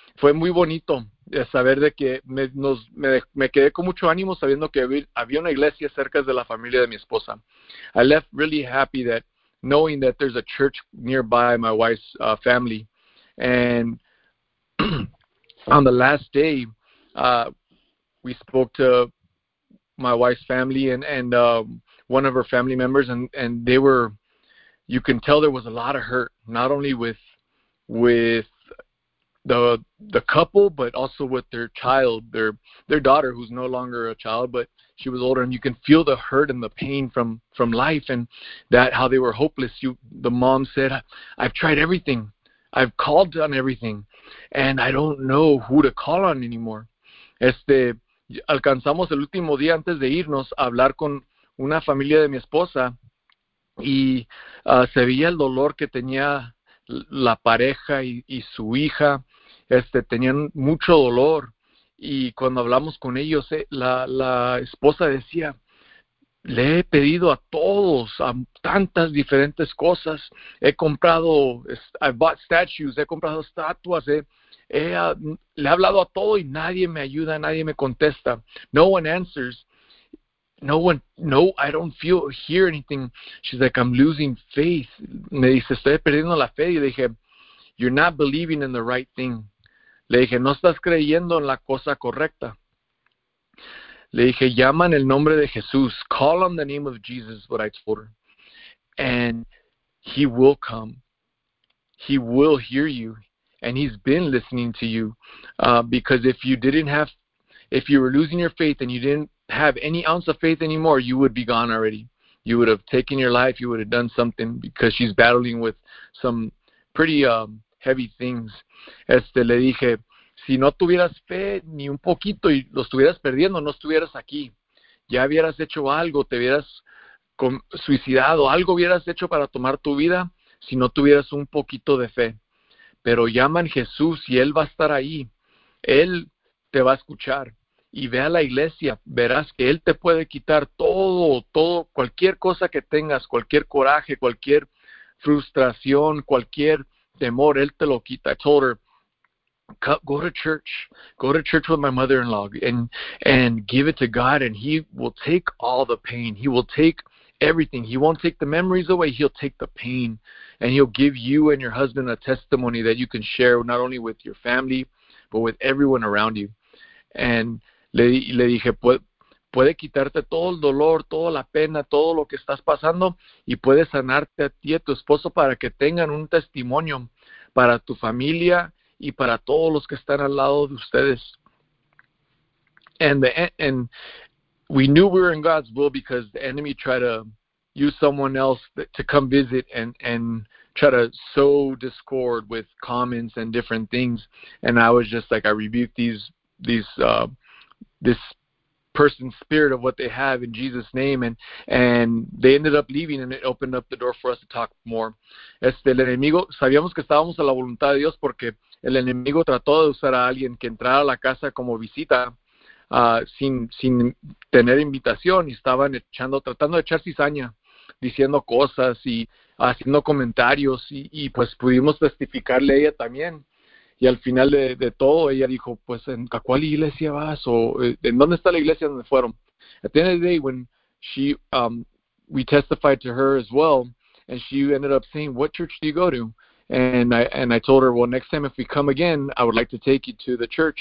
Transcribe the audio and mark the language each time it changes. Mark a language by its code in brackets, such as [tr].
[es] Fue muy bonito saber de que me quedé con mucho ánimo sabiendo que había una iglesia cerca de la familia de mi esposa. [en] I left really happy that knowing that there's a church nearby my wife's family. And on the last day, we spoke to my wife's family and one of her family members, and they were, you can tell there was a lot of hurt, not only with the couple, but also with their child, their daughter, who's no longer a child, but she was older. And you can feel the hurt and the pain from life, and that how they were hopeless. The mom said, I've tried everything. I've called on everything, and I don't know who to call on anymore. [es] Alcanzamos el último día antes de irnos a hablar con una familia de mi esposa, y se veía el dolor que tenía la pareja y su hija. Tenían mucho dolor, y cuando hablamos con ellos, la esposa decía: le he pedido a todos, a tantas diferentes cosas. He comprado, [en] I bought statues, [es] he comprado estatuas, le he hablado a todo y nadie me ayuda, nadie me contesta. [en] No one answers. No one, no, I don't feel, hear anything. She's like, I'm losing faith. [es] Me dice, estoy perdiendo la fe. Y le dije, [en] you're not believing in the right thing. [es] Le dije, no estás creyendo en la cosa correcta. Le dije, llama en el nombre de Jesús. [en] Call on the name of Jesus, what I told her. And he will come. He will hear you. And he's been listening to you. Because if you were losing your faith and you didn't have any ounce of faith anymore, you would be gone already. You would have taken your life. You would have done something, because she's battling with some pretty heavy things. [es] Le dije, si no tuvieras fe ni un poquito y lo estuvieras perdiendo, no estuvieras aquí. Ya hubieras hecho algo, te hubieras suicidado, algo hubieras hecho para tomar tu vida si no tuvieras un poquito de fe. Pero llaman Jesús y Él va a estar ahí. Él te va a escuchar. Y ve a la iglesia, verás que Él te puede quitar todo, cualquier cosa que tengas, cualquier coraje, cualquier frustración, cualquier temor, Él te lo quita. [en] I told her, go to church. Go to church with my mother-in-law and give it to God, and He will take all the pain. He will take everything. He won't take the memories away. He'll take the pain, and he'll give you and your husband a testimony that you can share not only with your family, but with everyone around you. [es] And le dije, puede quitarte todo el dolor, toda la pena, todo lo que estás pasando, y puede sanarte a ti y a tu esposo para que tengan un testimonio para tu familia y para todos los que están al lado de ustedes. [en] And we knew we were in God's will because the enemy tried to use someone else to come visit and try to sow discord with comments and different things. And I was just like, I rebuke this person's spirit of what they have in Jesus' name. And they ended up leaving, and it opened up the door for us to talk more. [es] El enemigo, sabíamos que estábamos a la voluntad de Dios porque el enemigo trató de usar a alguien que entrara a la casa como visita. Sin tener invitación, y estaban tratando de echar cizaña, diciendo cosas y haciendo comentarios, y pues pudimos testificarle a ella también. Y al final de todo, ella dijo, pues, ¿en a cuál iglesia vas? O, ¿en dónde está la iglesia donde fueron? [en] At the end of the day, when we testified to her as well, and she ended up saying, what church do you go to? And I told her, well, next time if we come again, I would like to take you to the church.